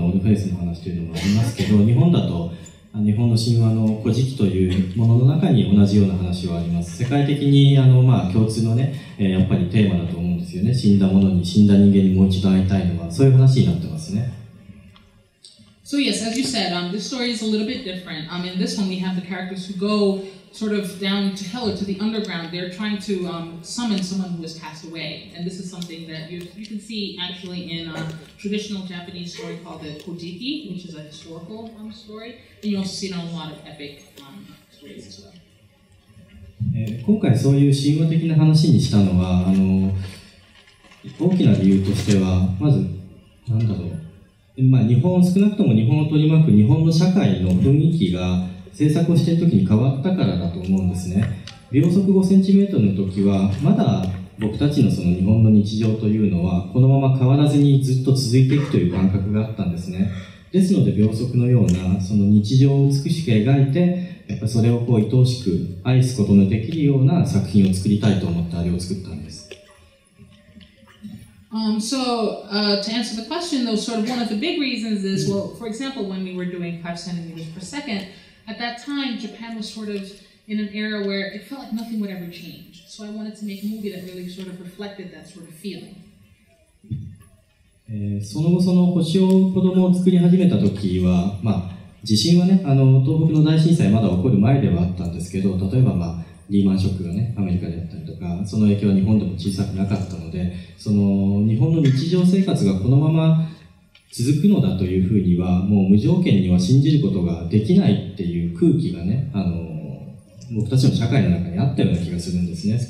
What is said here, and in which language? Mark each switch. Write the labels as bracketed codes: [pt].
[ja] ですね、おっしゃる通り、今回の作品は、死者を蘇らせるために、地下の世界に行くという話なんですね。日本だと、日本の神話の古事記というものの中に同じような話はあります。世界的に共通のね、やっぱりテーマだと思うんですよね。死んだものに、死んだ人間にもう一度会いたいのは、そういう話になってますね。 [en] So yes, as you said, this story is a little bit different. In this one, we have the characters who go sort of down to hell, to the underground. They're trying to summon someone who has passed away. And this is something that you can see actually in a traditional Japanese story called the Kojiki, which is a historical story. And you also see it in a lot of epic stories as well. [ja] 今回そういう神話的な話にしたのは、大きな理由としては、まず、なんだろう。日本、少なくとも日本を取り巻く日本の社会の雰囲気が制作をしている時に変わったからだと思うんですね。秒速5センチメートルの時はまだ僕たちのその日本の日常というのはこのまま変わらずにずっと続いていくという感覚があったんですね。ですので秒速のようなその日常を美しく描いて、やっぱそれをこう愛おしく愛すことのできるような作品を作りたいと思ってあれを作ったんです。 [en] To answer the question, though, sort of one of the big reasons is, well, for example, when we were doing 5 centimeters per second, at that time, Japan was sort of in an era where it felt like nothing would ever change. So I wanted to make a movie that really sort of reflected that sort of feeling. [ja] その後、その星を子供を作り始めた時は、地震はね、東北の大震災まだ起こる前ではあったんですけど、例えば、リーマンショックがね、アメリカであったりとか、その影響は日本でも小さくなかったので、その日本の日常生活がこのまま続くのだというふうには、もう無条件には信じることができないっていう空気がね、僕たちの社会の中にあったような気がするんですね。